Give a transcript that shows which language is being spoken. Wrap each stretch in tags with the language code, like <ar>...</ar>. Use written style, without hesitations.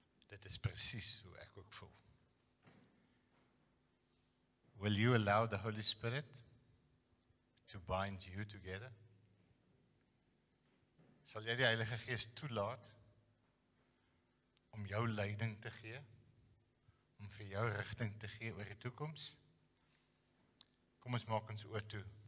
<af>Dit is precies hoe ek ook voel.</af> <en>Will you allow the Holy Spirit to bind you together?</en> <af>Sal jy die Heilige Gees toelaat om jou leiding te gee, om vir jou rigting te gee oor die toekoms? Kom ons maak ons oor toe.</af>